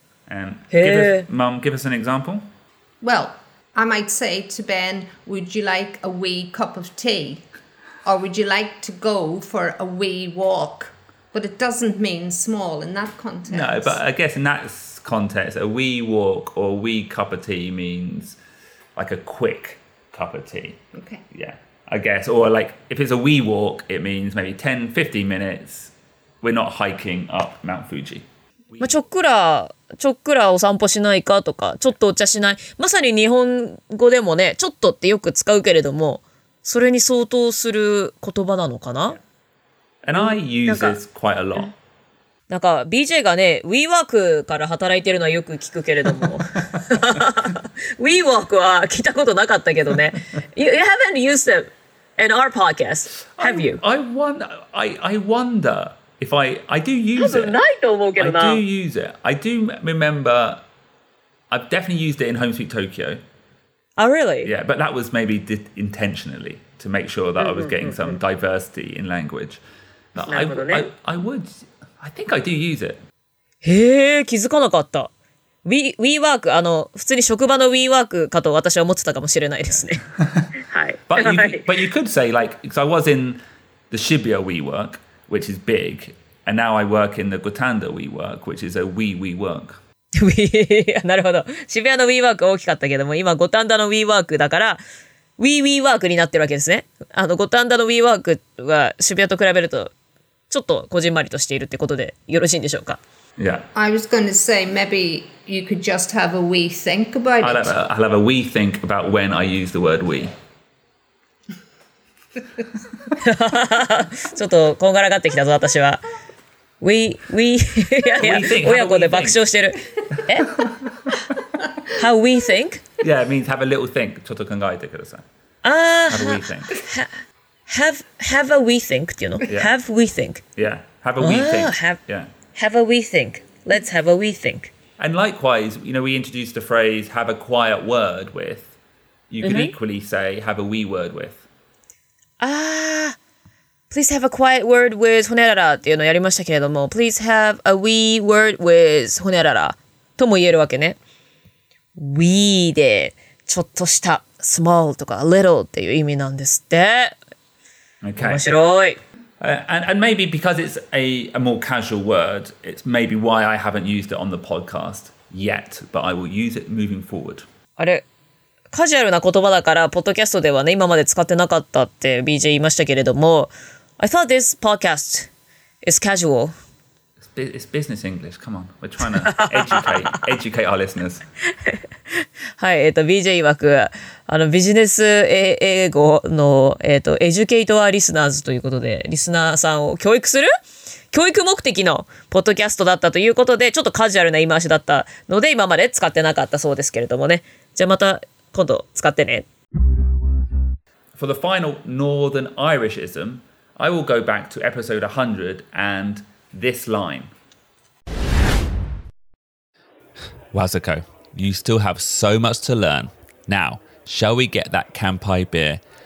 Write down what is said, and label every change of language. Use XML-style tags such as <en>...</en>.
<en>Mom, give us an example. Well... I might say to Ben, would you like a wee cup of tea? Or would you like to go for a wee walk? But it doesn't mean small in that context. No, but I guess in that context, a wee walk or a wee cup of tea means like a quick cup of tea. Okay. Yeah, I guess. Or like if it's a wee walk, it means maybe 10, 15 minutes. We're not hiking up Mount Fuji.</en> <ja>まあ、ちょっくらお散歩しないかとか、ちょっとお茶しない。まさに日本語でもね、ちょっとってよく使うけれども、それに相当する言葉なのかな。</ja> <en>And I use this quite a lot.</en> <ja>なんか BJ がね、WeWork から働いてるのはよく聞くけれども。 WeWork は聞いたことなかったけどね。</ja> <en>You haven't used them in our podcast, have you? I wonder... If I do use it.</en> <ja>多分ないと思うけどな。</ja> <en>I do use it. I do remember, I've definitely used it in Home Sweet Tokyo. Oh, really? Yeah, but that was maybe intentionally to make sure that I was getting some diversity in language. But I would, I think I do use it.</en> <ja>へえ、気づかなかった。 WeWork、あの、普通に職場の WeWork かと私は思ってたかもしれないですね。はい。</ja> <en>But you could say, like, because I was in the Shibuya WeWork,which is big, and now I work in the Gotanda WeWork, which is a WeWeWork.</en> <ja>なるほど。渋谷の WeWork 大きかったけども、今、ゴタンダの WeWork だから、WeWeWork になってるわけですね。あの、ゴタンダの WeWork は渋谷と比べると、ちょっとこじんまりとしているってことでよろしいんでしょうか。</ja> <en>Yeah. I was going to say, maybe you could just have a wee think about it. I'll have a wee think about when I use the word we.</en> <ja>ちょっとこんがらがってきたぞ私は。We いやいや親子で爆笑してる。</ja> <en>え ？How we think? Yeah, it means have a little think.</en> <ja>ちょっと考えてください。ああ。</ja> <en>Have a we think? Have a we think</en> <ja>っていうの</ja> <en>？Yeah. Have we think? Yeah. Have a we think? Have a we think? Let's have a we think. And likewise, you know, we introduced the phrase have a quiet word with. You can equally say have a we word with. Please have a quiet word with</en> <ja>ほねららっていうのをやりましたけれども</ja> <en>Please have a wee word with</en> <ja>ほねららとも言えるわけね。 Wee でちょっとした small とか little っていう意味なんですって。</ja> <en>Okay.</en> <ja>面白い。</ja> <en>And maybe because it's a more casual word, it's maybe why I haven't used it on the podcast yet, but I will use it moving forward.</en> <ja>あれカジュアルな言葉だからポッドキャストではね今まで使ってなかったって BJ 言いましたけれども</ja> <en>I thought this podcast is casual. It's business English. Come on. We're trying to educate our listeners.</en> <ja>はい、BJ 曰くあのビジネス英語の</ja> <en>エデュケイトアリスナーズ</en> <ja>ということでリスナーさんを教育する教育目的のポッドキャストだったということでちょっとカジュアルな言い回しだったので今まで使ってなかったそうですけれどもね。じゃあまた今度使ってね。</ja> <en>For the final Northern Irishism, I will go back to episode 100 and this line. Wazuko, you still have so much to learn. Now, shall we get that Kanpai beer?</en>